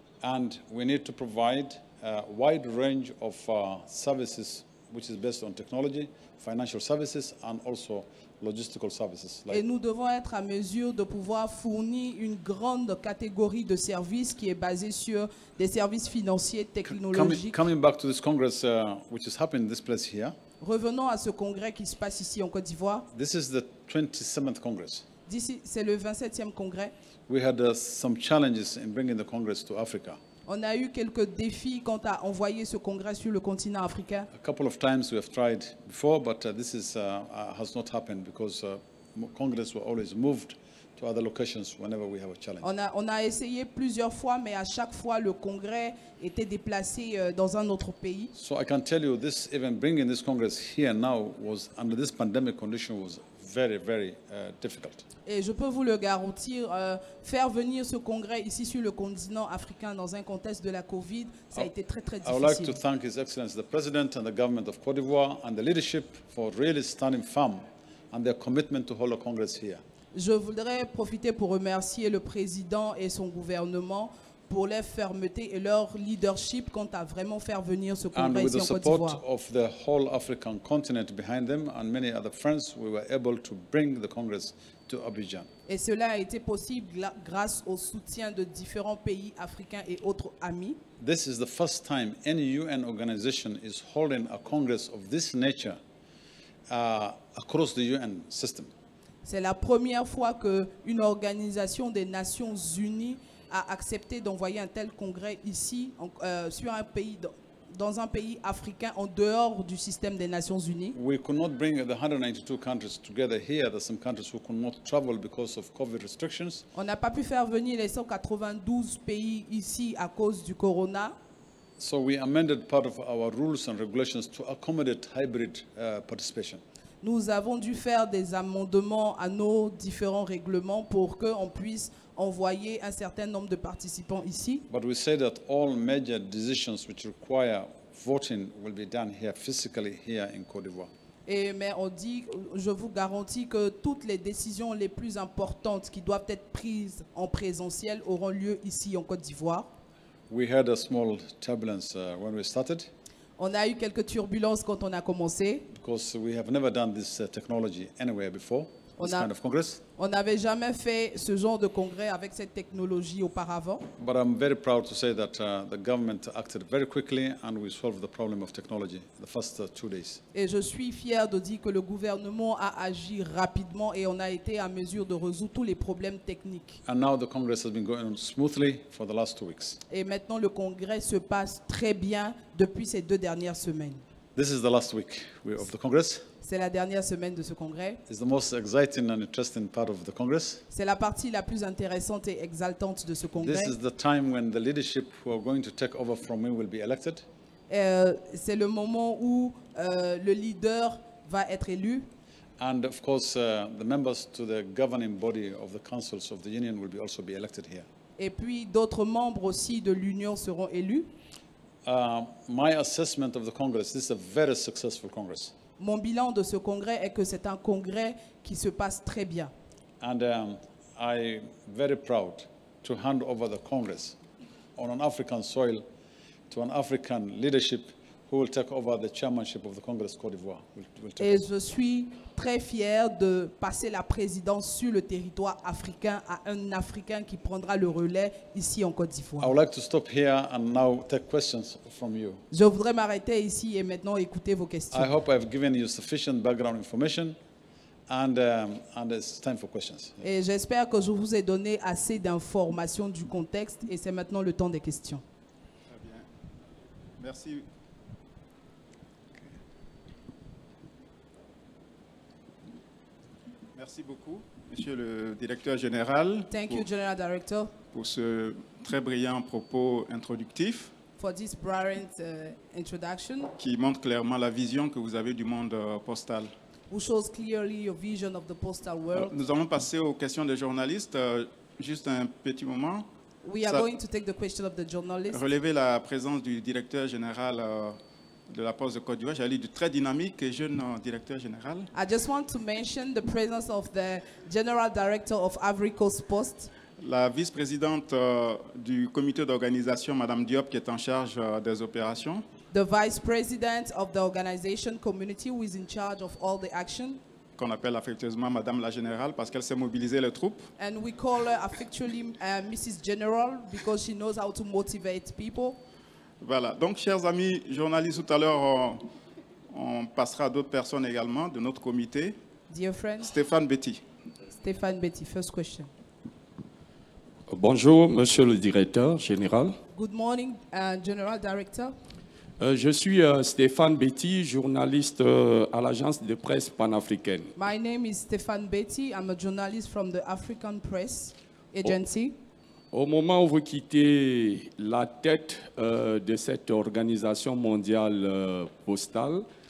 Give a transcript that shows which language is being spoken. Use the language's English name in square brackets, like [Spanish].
[English] And we need to provide a wide range of services which is based on technology, financial services and also logistical services. [French] Et nous devons être à mesure de pouvoir fournir une grande catégorie de services qui est basée sur des services financiers, technologiques. [English] Coming back to this congress which is happening in this place here. [French] Revenons à ce congrès qui se passe ici en Côte d'Ivoire. [English] This is the 27th congress. [French] C'est le 27e congrès. [English] We had some challenges in bringing the congress to Africa. [French] On a eu quelques défis quant à envoyer ce congrès sur le continent africain. [English] A couple of times we have tried before, but this is has not happened because congress were always moved to other locations whenever we have a challenge. [French] On a essayé plusieurs fois, mais à chaque fois le congrès était déplacé dans un autre pays. [English] So I can tell you this, even bringing this congress here now was under this pandemic condition was very, very difficult. [French] Et je peux vous le garantir, faire venir ce congrès ici sur le continent africain dans un contexte de la COVID, ça a été très, très difficile. [English] I would like to thank His Excellency the President and the government of Côte d'Ivoire and the leadership for really standing firm and their commitment to hold a congress here. [French] Je voudrais profiter pour remercier le président et son gouvernement pour leur fermeté et leur leadership quant à vraiment faire venir ce congrès ici en Côte d'Ivoire. [English] And with the support of the whole African continent behind them and many other friends, we were able to bring the congress to Abidjan. [French] Et cela a été possible grâce au soutien de différents pays africains et autres amis. [English] This is the first time any UN organization is holding a congress of this nature across the UN system. [French] C'est la première fois qu'une organisation des Nations Unies a accepté d'envoyer un tel congrès ici, sur un pays, dans un pays africain, en dehors du système des Nations Unies. [English] We could not bring the 192 countries together here. There are some countries who could not travel because of COVID restrictions. [French] On n'a pas pu faire venir les 192 pays ici à cause du corona. [English] So we amended part of our rules and regulations to accommodate hybrid participation. [French] Nous avons dû faire des amendements à nos différents règlements pour qu'on puisse envoyer un certain nombre de participants ici. [English] But we say that all major decisions which require voting will be done here physically here in Côte d'Ivoire. [French] Et mais on dit, je vous garantis que toutes les décisions les plus importantes qui doivent être prises en présentiel auront lieu ici en Côte d'Ivoire. [English] We had a small turbulence when we started. [French] On a eu quelques turbulences quand on a commencé. [English] Because we have never done this technology anywhere before, this kind of congress. [French] On n'avait jamais fait ce genre de congrès avec cette technologie auparavant. [English] But I'm very proud to say that the government acted very quickly and we solved the problem of technology the first two days. [French] Et je suis fier de dire que le gouvernement a agi rapidement et on a été à mesure de résoudre tous les problèmes techniques. [English] And now the congress has been going smoothly for the last two weeks. [French] Et maintenant le congrès se passe très bien depuis ces deux dernières semaines. [English] This is the last week of the congress. [French] C'est la dernière semaine de ce congrès. [English] It's the most exciting and interesting part of the congress. [French] C'est la partie la plus intéressante et exaltante de ce congrès. [English] This is the time when the leadership who are going to take over from me will be elected. [French] C'est le moment où le leader va être élu. [English] And of course the members to the governing body of the councils of the union will be also be elected here. [French] Et puis d'autres membres aussi de l'union seront élus. [English] My assessment of the congress, this is a very successful congress. [French] Mon bilan de ce congrès est que c'est un congrès qui se passe très bien. [English] And I'm very proud to hand over the congress on an African soil to an African leadership who will take over the chairmanship of the Congress Côte d'Ivoire. [French] Et je suis très fier de passer la présidence sur le territoire africain à un Africain qui prendra le relais ici en Côte d'Ivoire. [English] I would like to stop here and now take questions from you. [French] Je voudrais m'arrêter ici et maintenant écouter vos questions. [English] I hope I've given you sufficient background information and it's time for questions. [French] Et j'espère que je vous ai donné assez d'informations du contexte et c'est maintenant le temps des questions. Très bien. Merci. Merci beaucoup, Monsieur le Directeur Général. [English] Thank you, General Director. [French] Pour ce très brillant propos introductif. [English] For this brilliant introduction. [French] Qui montre clairement la vision que vous avez du monde postal. [English] Who shows clearly your vision of the postal world. [French] Nous allons passer aux questions des journalistes. Juste un petit moment. [English] We are going to take the question of the journalists. [French] Relever la présence du Directeur Général. De la poste de Côte d'Ivoire, j'allais du très dynamique et jeune directeur général. [English] I just want to mention the presence of the general director of Ivory Coast Post. [French] La vice-présidente du comité d'organisation, Madame Diop, qui est en charge des opérations. [English] The vice president of the organization community who is in charge of all the action. [French] Qu'on appelle affectueusement Madame la Générale parce qu'elle sait mobiliser les troupes. [English] And we call her affectually Mrs. General because she knows how to motivate people. [French] Voilà. Donc, chers amis journalistes, tout à l'heure, on passera à d'autres personnes également de notre comité. [English] Dear friend, Stéphane Betty. Stéphane Betty, first question. [French] Bonjour, monsieur le directeur général. [English] Good morning, general director. [French] Je suis Stéphane Betty, journaliste à l'agence de presse panafricaine. [English] My name is Stéphane Betty. I'm a journalist from the African Press Agency. [French] Au moment où vous quittez la tête de cette organisation mondiale postale,